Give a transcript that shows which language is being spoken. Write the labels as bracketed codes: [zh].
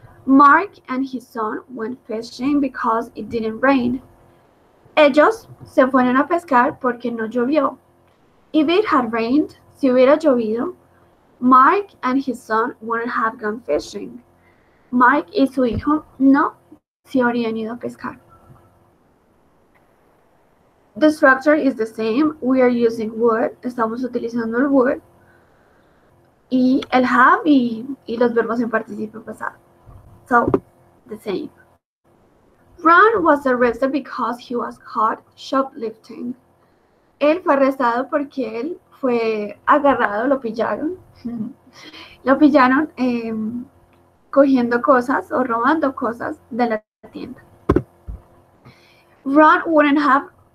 [en] Mark and his son went fishing because it didn't rain. [es] Ellos se fueron a pescar porque no llovió. [en] If it had rained, [es] si hubiera llovido, [en] Mark and his son wouldn't have gone fishing. [es] Mark y su hijo no se habrían ido a pescar. [en] The structure is the same. We are using would. [es] Estamos utilizando el would. Y el have y los verbos en participio pasado. [en] So, the same. Ron was arrested because he was caught shoplifting. [es] Él fue arrestado porque él fue agarrado, lo pillaron. Lo pillaron cogiendo cosas o robando cosas de la tienda. [en] Ron wouldn't have.